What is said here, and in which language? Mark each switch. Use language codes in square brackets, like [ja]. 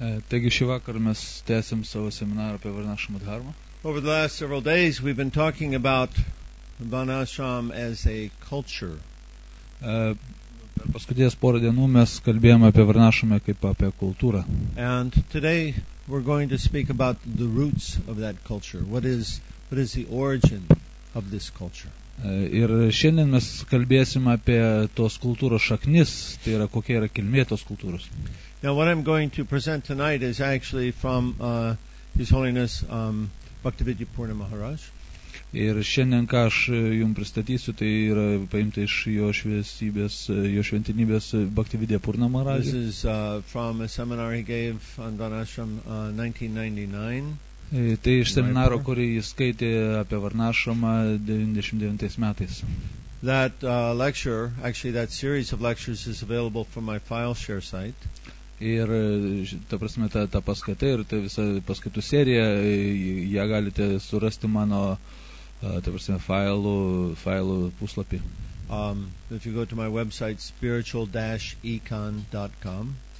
[lt] Taigi šį vakarą mes tęsim savo seminarą apie Varnashramo Dharma. [en] Over the last several days we've been talking about Varnashram as a culture. [lt] Per paskutinės porą dienų mes kalbėjome apie Varnashramą kaip apie kultūrą. [en] And today we're going to speak about the roots of that culture. What is the origin of this culture? [lt] Ir šiandien mes kalbėsim apie tos kultūros šaknis, tai yra kokia yra kilmė tos kultūros. [en] Now what I'm going to present tonight is actually from His Holiness Bhaktivedanta Maharaj. [lt] Ir šiandien ką aš jums pristatysiu, tai yra paimta iš jo šviesybės, jo šventinybės Bhaktivedanta Purna Maharaj. [en] This is from a seminar he gave on Varnashram 1999. [lt] Tai iš seminaro, kurį jis skaitė apie Varnashramą 99 metais. [en] That lecture, actually that series of lectures is available from my file share site. [lt] Ir ta prasme ta paskaita ir ta visa paskaitų serija, ją galite surasti mano ta prasme failų puslapį. [en] If you go to my website spiritual-econ.com.